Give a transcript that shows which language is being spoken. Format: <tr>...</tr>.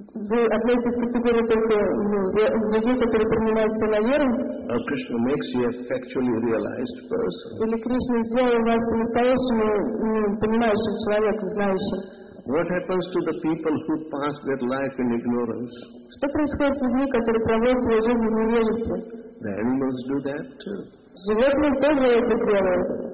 <ru>Вы относитесь к категории только людей, которые принимаются на веру?</ru> <en>Krishna makes you a factually realized person.</en> <ru>Или Кришна сделал вас настоящим, понимающим человеком, знающим?</ru> <en>What happens to the people who pass their life in ignorance?</en> <ru>Что происходит с людьми, которые проводят свою жизнь в невежестве?</ru> <en>The animals do that too.</en> <ru>Животные тоже это делают.</ru>